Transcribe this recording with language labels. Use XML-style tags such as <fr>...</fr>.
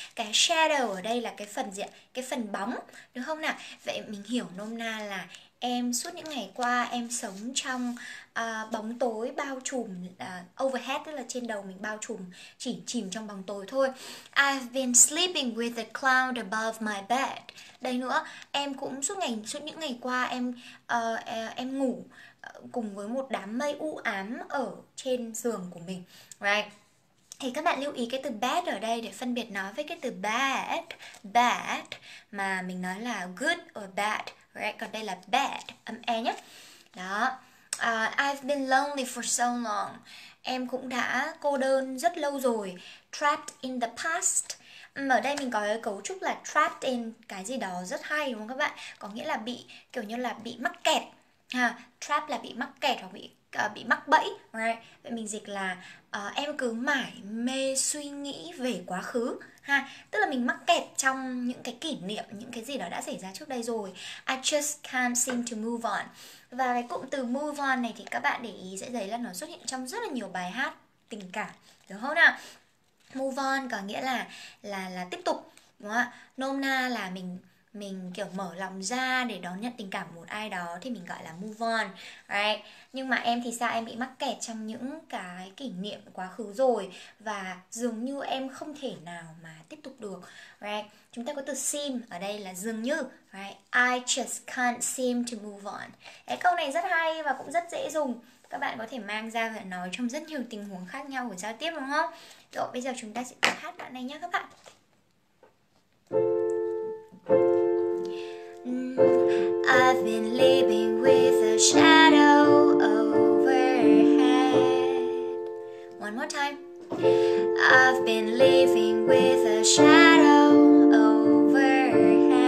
<vi>Cái shadow ở đây là cái phần gì ạ? Cái phần bóng, đúng không nào? Vậy mình hiểu nôm na là em suốt những ngày qua em sống trong bóng tối bao trùm, overhead tức là trên đầu mình bao trùm, chỉ chìm trong bóng tối thôi.</vi> <en>I've been sleeping with a cloud above my bed.</en> <vi>Đây nữa, em cũng suốt những ngày qua em ngủ cùng với một đám mây u ám ở trên giường của mình, right? Thì các bạn lưu ý cái từ bad ở đây để phân biệt nó với cái từ bad mà mình nói là</vi> <en>good or bad,</en> <vi>right? Còn đây là bad, âm e nhé. Đó.</vi> <en>I've been lonely for so long.</en> <vi>Em cũng đã cô đơn rất lâu rồi.</vi> <en>Trapped in the past.</en> <vi>Ở đây mình có cái cấu trúc là</vi> <en>trapped in</en> <vi>cái gì đó rất hay đúng không các bạn? Có nghĩa là bị kiểu như là bị mắc kẹt. Ha, trap là bị mắc kẹt hoặc bị mắc bẫy, right? Vậy mình dịch là em cứ mải mê suy nghĩ về quá khứ, ha. Tức là mình mắc kẹt trong những cái kỷ niệm, những cái gì đó đã xảy ra trước đây rồi.</vi> <en>I just can't seem to move on.</en> <vi>Và cái cụm từ move on này thì các bạn để ý sẽ thấy là nó xuất hiện trong rất là nhiều bài hát tình cảm, đúng không nào? Move on có nghĩa là tiếp tục, đúng không ạ? Nôm na là mình kiểu mở lòng ra để đón nhận tình cảm một ai đó thì mình gọi là move on, right? Nhưng mà em thì sao, em bị mắc kẹt trong những cái kỷ niệm quá khứ rồi và dường như em không thể nào mà tiếp tục được, right? Chúng ta có từ seem ở đây là dường như, right?</vi> <en>I just can't seem to move on.</en> <vi>Cái câu này rất hay và cũng rất dễ dùng. Các bạn có thể mang ra và nói trong rất nhiều tình huống khác nhau của giao tiếp đúng không? Rồi bây giờ chúng ta sẽ hát đoạn này nhé các bạn.</vi> <en>I've been living with a shadow overhead. One more time. I've been living with a shadow overhead.</en>